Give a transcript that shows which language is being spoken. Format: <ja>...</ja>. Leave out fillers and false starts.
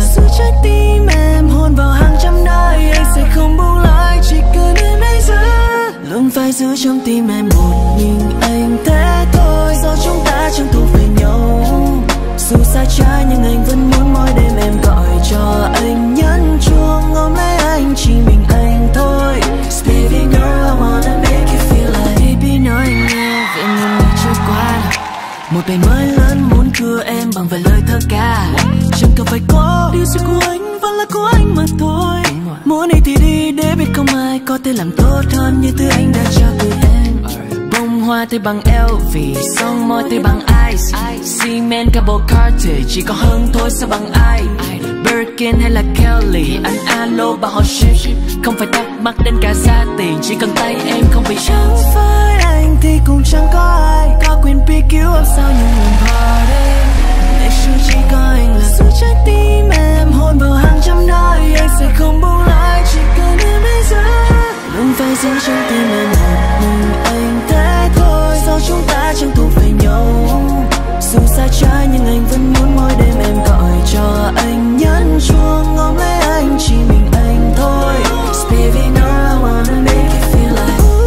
<vi>giữ trái tim em hôn vào hàng trăm nơi. Anh sẽ không buông lại, chỉ cần em hãy giữ. Luôn phải giữ trong tim em một mình anh thế thôi. Do chúng ta chẳng thuộc về nhau. Dù xa trái nhưng anh vẫn muốn mỗi đêm em gọi cho anh nhấn chuông. Ôm lấy anh chỉ mình anh thôi.</vi> <en>Baby girl I wanna make you feel like.</en> <vi>Baby nói anh nghe về những ngày trôi qua. Một ngày mới lớn muốn cưa em bằng vài lời thơ ca. Chẳng cần phải có điều gì của anh vẫn là của anh mà thôi. Muốn đi thì đi để biết không ai có thể làm tốt hơn như thứ anh đã cho từ em. Bông hoa thì bằng LV, son môi thì bằng ice,</vi> <en>cement cable Carter</en> <vi>chỉ có hơn thôi sao bằng ai. Birkin hay là Kelly, anh alo bà họ ship. Không phải thắc mắc đến cả giá tiền, chỉ cần tay em không bị chán. Chẳng phải anh thì cũng chẳng có ai có quyền</vi> <en>pick you up</en> <vi>sau những lần party.</vi> <en>Make sure</en> <vi>chỉ có anh là giữ trái tim em hôn vào hàng trăm nơi. Anh sẽ không buông lại, chỉ cần em hãy giữ. Luôn phải giữ trong tim em một mình anh thế thôi. Do chúng ta chẳng thuộc về nhau. Dù xa trái nhưng anh vẫn muốn mỗi đêm em gọi cho anh nhấn chuông. Ôm lấy anh chỉ mình anh thôi.</vi> <en>Baby girl I wanna make you feel like.</en>